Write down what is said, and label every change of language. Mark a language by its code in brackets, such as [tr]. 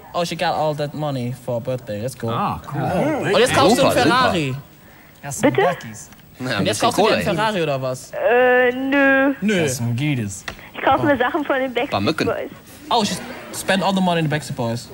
[en] Oh, she got all that money for a birthday. That's cool. Ah, cool. [de] Oh, und jetzt kaufst du einen Ferrari. Bitte? Und jetzt kaufst du dir einen Ferrari oder was? Nö. Das geht es. Ich kaufe mir Sachen von den Backstreet Boys. [en] Oh, she spent all the money in the Backstreet Boys.